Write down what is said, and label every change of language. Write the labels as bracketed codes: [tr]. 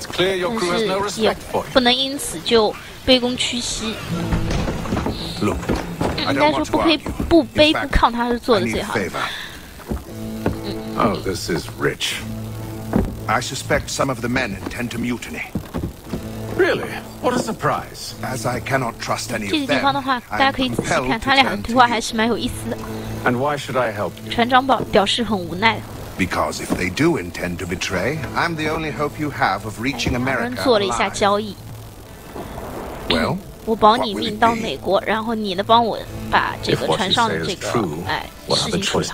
[zh] 但是也不能因此就卑躬屈膝。应该说不可以不卑不亢，他是做的最好的。 [en] Oh, this is rich. I suspect some of the men intend to mutiny. Really? What a surprise! As I cannot trust any of them, [zh] 这个地方的话，大家可以仔细看，他俩的对话还是蛮有意思的。 [en] And why should I help you? [zh] 船长表示很无奈。 [en] Because if they do intend to betray, I'm the only hope you have of reaching America. [zh] 他们做了一下交易。 [en] Well, [zh] 我保你命到美国，然后你呢帮我把这个船上的这个事情处理好。